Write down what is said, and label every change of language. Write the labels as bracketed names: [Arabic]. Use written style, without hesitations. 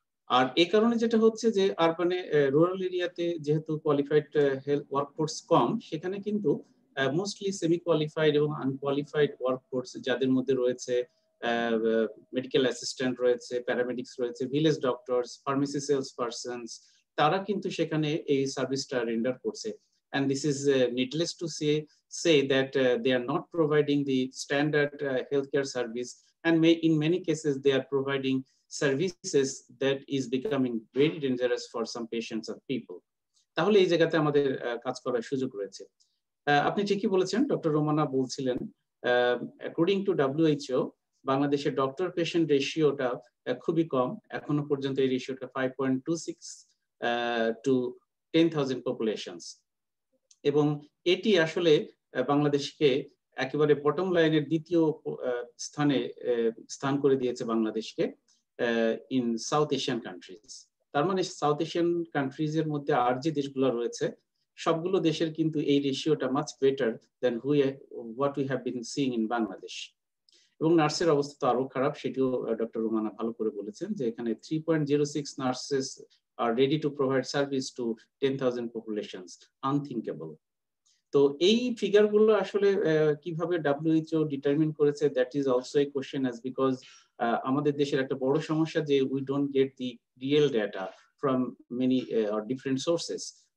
[Bangla] আর এই কারণে যেটা হচ্ছে যে আরবানে রুরাল এরিয়াতে যেহেতু কোয়ালিফাইড হেলথ ওয়ার্কফোর্স কম, সেখানে কিন্তু মোস্টলি সেমি কোয়ালিফাইড এবং আনকোয়ালিফাইড ওয়ার্কফোর্স, যাদের মধ্যে রয়েছে মেডিকেল অ্যাসিস্ট্যান্ট রয়েছে, প্যারামেডিক্স রয়েছে, village doctors, pharmacy sales persons, তারা কিন্তু সেখানে এই সার্ভিসটা রেন্ডার করছে। [English] And this is needless to say that they are not providing the standard healthcare service, and in many cases they are providing services that is becoming very dangerous for some patients or people. [Bangla] তাহলে এই জায়গাতে আমাদের কাজ করার সুযোগ রয়েছে। আপনি ঠিকই বলেছেন, ডক্টর রোমানা বলছিলেন, [English] according to WHO [Bangla] বাংলাদেশের ডক্টর পেশেন্ট রেশিওটা খুবই কম, এখনো পর্যন্ত এই রেশিওটা 5.26 to 10,000 populations. এবং এটি আসলে বাংলাদেশকে একেবারে বটম লাইনের দ্বিতীয় স্থানে স্থান করে দিয়েছে বাংলাদেশকে [English] In South Asian countries. [Bangla] তার মানে সাউথ এশিয়ান কান্ট্রিজ এর মধ্যে আর যে দেশগুলো রয়েছে সবগুলো দেশের কিন্তু এই রেশিওটা [English] Much better than what we have been seeing in Bangladesh. [Bangla] এবং নার্সের অবস্থা তো আরো খারাপ, সেটিও ডক্টর রুমানা ভালো করে বলেছেন যে এখানে 3.06 nurses [English] are ready to provide service to 10,000 populations, unthinkable. So, [Bangla] ei figure gulo ashole kibhabe [English] WHO determine koreche, that is also a question, as because [Bangla] amader desher ekta boro somoshya je [English] we don't get the real data from many or different sources.